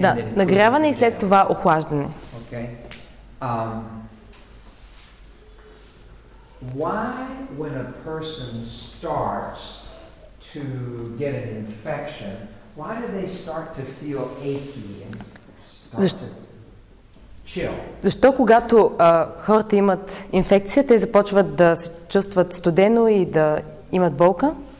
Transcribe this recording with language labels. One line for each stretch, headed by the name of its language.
Bulgarian: да, нагряване и след това охлаждане.
English: Okay. Why, when a person starts to get an infection, why do they start to feel achy and start to chill?
Bulgarian: Защо когато хората имат инфекция, те започват да се чувстват студено и да имат болка?